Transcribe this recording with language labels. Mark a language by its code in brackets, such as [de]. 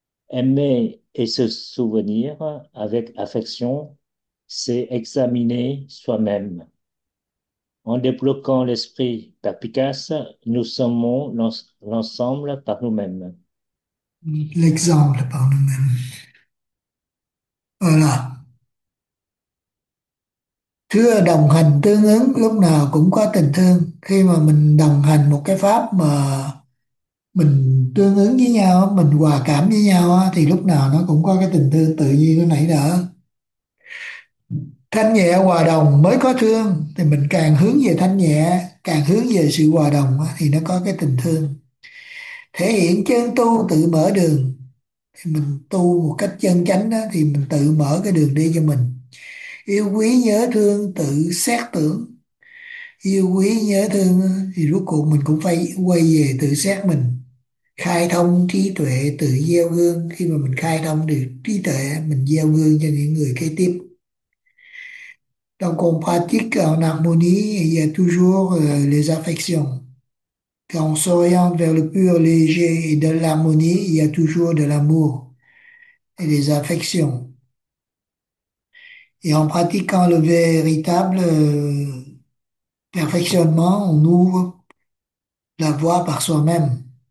[fr] Aimer et se souvenir avec affection, c'est examiner soi-même. En débloquant l'esprit perspicace, nous sommes l'ensemble par nous-mêmes. L'exemple par nous-mêmes. Voilà. [vi] Thưa đồng hành tương ứng lúc nào cũng có tình thương. Khi mà mình đồng hành một cái pháp mà mình tương ứng với nhau, mình hòa cảm với nhau thì lúc nào nó cũng có cái tình thương tự nhiên nó nảy nở. Thanh nhẹ hòa đồng mới có thương, thì mình càng hướng về thanh nhẹ, càng hướng về sự hòa đồng thì nó có cái tình thương. Thể hiện chân tu tự mở đường, thì mình tu một cách chân chánh đó, thì mình tự mở cái đường đi cho mình. Yêu quý nhớ thương tự xét tưởng, yêu quý nhớ thương thì rốt cuộc mình cũng phải quay về tự xét mình. Khai thông trí tuệ tự gieo gương, khi mà mình khai thông được trí tuệ mình gieo gương cho những người kế tiếp. [fr] Donc on pratique en harmonie, il y a toujours les affections. Quand s'oriente vers le pur, léger et de l'harmonie, il y a toujours de l'amour et des affections. Et en pratiquant le véritable perfectionnement, on ouvre la voie par soi-même.